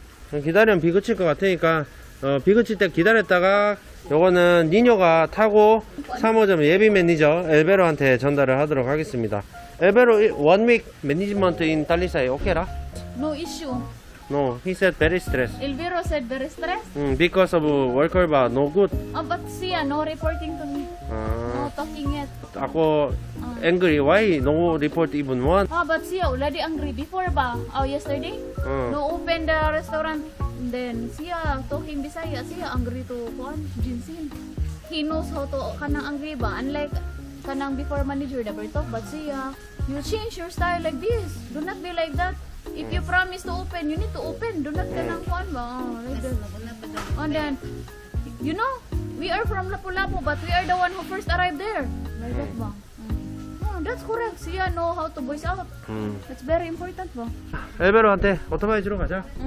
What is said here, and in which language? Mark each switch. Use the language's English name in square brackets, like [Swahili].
[Korean] 기다리면 비 그칠 것 같으니까, 비 그칠 때 기다렸다가, 요거는 니뇨가 타고 3호점 예비 매니저 엘베로한테 전달을 하도록 하겠습니다. [English] 엘베로, one week management in 달리사이, 오케이라? No issue. No, he said very stressed. Elvero said very stressed? Because of worker, but no good. But see, no reporting to me. No talking yet. 아고 angry. Why no report even one? But see, already angry before, but yesterday. No open the restaurant. Then see, talking Bisaya. See, angry to one, Jinsin. He knows how to kanang angry, but unlike kanang before manager, never talk. But see, you change your style like this. Do not be like that. If you promise to open, you need to open. Do not [Cebuano] kanang kuan ba? [English] And then, you know, we are from Lapu-Lapu, but we are the one who first arrived there. Like that ba? That's correct. Siya know how to voice out. That's very important ba? [Korean] Elbero한테 오토바이 주러 가자.